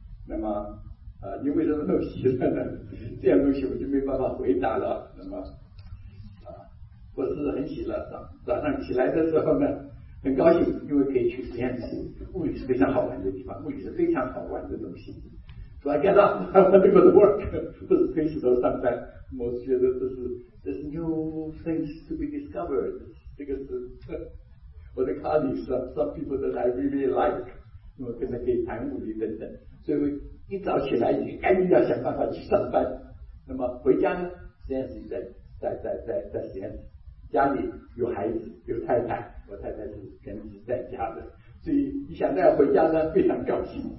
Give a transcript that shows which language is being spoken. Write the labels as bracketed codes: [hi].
[zh] 那么，你为什么那么喜欢呢？这样东西我就没办法回答了。那么，我是很喜乐，早上起来的时候呢，很高兴，因为可以去实验室，物理是非常好玩的地方，物理是非常好玩的东西。 [en] So I get up, I want to go to work. [zh] 不是推石头上山，我觉得这是 [en] new things to be discovered. [zh] 这个是我的 [en] colleagues, some people that I really like. [zh] 我跟他可以谈物理等等。所以一早起来，你赶紧要想办法去上班。那么回家呢，实验室在实验室。家里有孩子，有太太，我太太是全职在家的，所以一想到要回家呢，非常高兴。